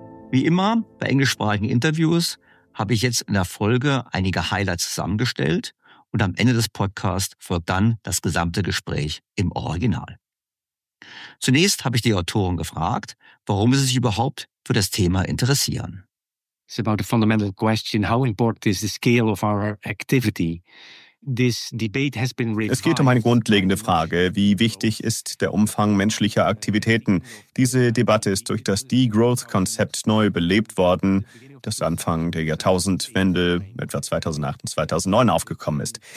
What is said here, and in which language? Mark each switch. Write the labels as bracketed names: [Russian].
[German] Wie immer bei englischsprachigen Interviews habe ich jetzt in der Folge einige Highlights zusammengestellt und am Ende des Podcasts folgt dann das gesamte Gespräch im Original. Zunächst habe ich die Autoren gefragt, warum sie sich überhaupt für das Thema interessieren. [English] It's about the fundamental question, how important is the scale of our activity? [German] Es geht um eine grundlegende Frage, wie wichtig ist der Umfang menschlicher Aktivitäten? Diese Debatte ist durch das Degrowth-Konzept neu belebt worden, das Anfang der Jahrtausendwende, etwa 2008 und 2009, aufgekommen ist.